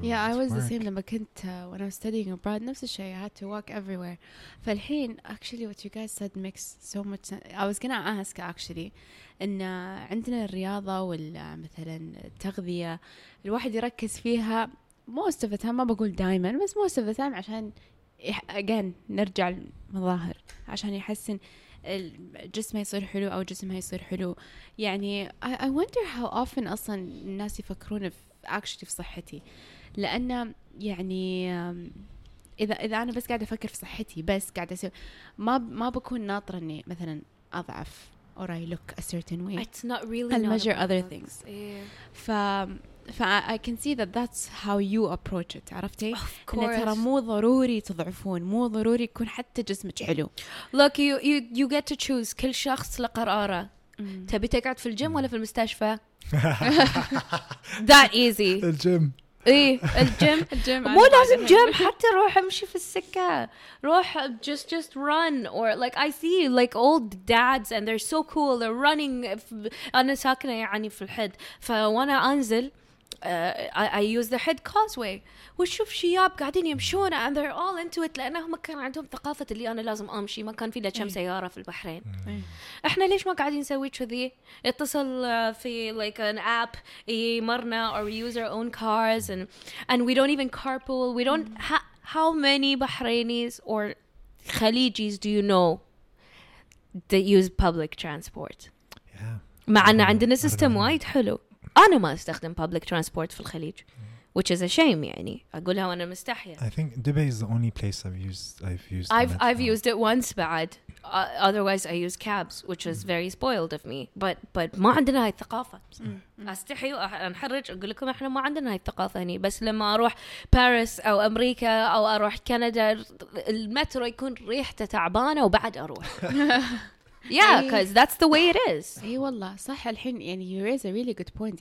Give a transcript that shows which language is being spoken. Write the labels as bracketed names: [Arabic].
[English] I was the same when I was studying abroad. [Arabic] نفس الشيء, [English] I had to walk everywhere. [Arabic] فالحين, [English] actually, what you guys said makes so much sense. I was going to ask, actually, [Arabic] إن عندنا الرياضة والمثلا التغذية الواحد يركز فيها [English] most of the time, [Arabic] ما بقول دائما, بس most of the time عشان again نرجع المظاهر عشان يحسن الجسم يصير حلو او جسمها يصير حلو يعني [English] I wonder how often [Arabic] اصلا الناس يفكرون في [English] actually [Arabic] في صحتي لان يعني اذا انا بس قاعده افكر في صحتي بس قاعده اسوي ما بكون ناطره اني مثلا اضعف [English] or I look a certain way it's not really I'll measure other things yeah. I can see that that's how you approach it. [Arabic] عرفتي؟ [English] Of course. [Arabic] ترى مو ضروري تضعفون، مو ضروري يكون حتى جسمك حلو. [English] Look, you get to choose. [Arabic] كل شخص لقراره. تبي تقعد في الجيم ولا في المستشفى؟ [English] That easy. [Arabic] الجيم. الجيم. مو لازم جيم. حتى روح امشي في السكة. [English] روح just run or like I see like old dads and they're so cool. They're running. [Arabic] أنا ساكنة يعني في الحد. فوانا أنزل. [English] I use the head causeway. [Arabic] وشوف شياب قاعدين يمشون [English] and they're all into it [Arabic] لأنهم كان عندهم ثقافة اللي أنا لازم أمشي ما كان في لكم سيارة في البحرين. إحنا ليش ما قاعدين نسوي كذي؟ اتصل في [English] like an app [Arabic] يمرنا [English] or we use our own cars and we don't even carpool. We don't how many Bahrainis or Khalijis do you know that use public transport? Yeah. [Arabic] مع أن عندنا سيستم وايد حلو. أنا ما أستخدم public transport في الخليج [English] which is a shame [Arabic] يعني أقولها وأنا مستحية [English] I think Dubai is the only place I've used it [Arabic] once بعد [English] otherwise I use cabs which is very spoiled of me but [Arabic] ما عندنا هاي الثقافة أستحي وأنحرج أقول لكم إحنا ما عندنا هاي الثقافة هني بس لما أروح باريس أو أمريكا أو أروح كندا المترو يكون ريحته تعبانة وبعد أروح [English] Yeah, because that's the way it is. [Arabic] أي والله صح الحين يعني [English] you raise a really good point.